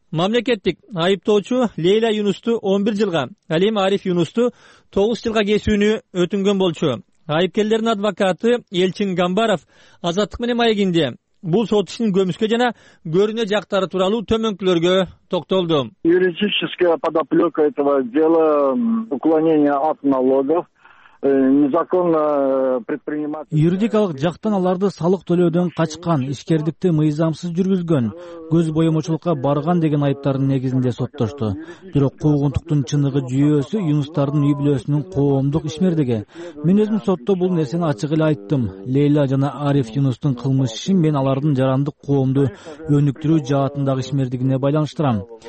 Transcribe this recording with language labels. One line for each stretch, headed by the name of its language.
Kyrgyz: Мамлекеттик айыптоочу Лейла Юнусту 11 жылга, ал эми Ариф Юнусту 9 жылга кесүүнү өтүнгөн болчу. Айыпкерлердин адвокаты Элчин Гамбаров Азаттык менен маегинде бул сот ишинин көмүскө жана көрүнө жактары тууралуу төмөнкүлөргө токтолду.
Russian: Юридическая подоплека этого дела — уклонение от налогов, незаконно предпринимать.
Kyrgyz: Юридикалык жактан аларды салык төлөөдөн качкан, ишкердикти мыйзамсыз жүргүзгөн, көз боемочулукка барган деген айыптардын негизинде соттошту. Бирок куугунтуктун чыныгы жүйөсү юнустардын үй бүлөсүнүн коомдук ишмердиги. Мен өзүм сотто бул нерсени ачык эле айттым. Лейла жана Ариф Юнустун кылмыш ишин мен алардын жарандык коомду өнүктүрүү жаатындагы ишмердигине байланыштырам.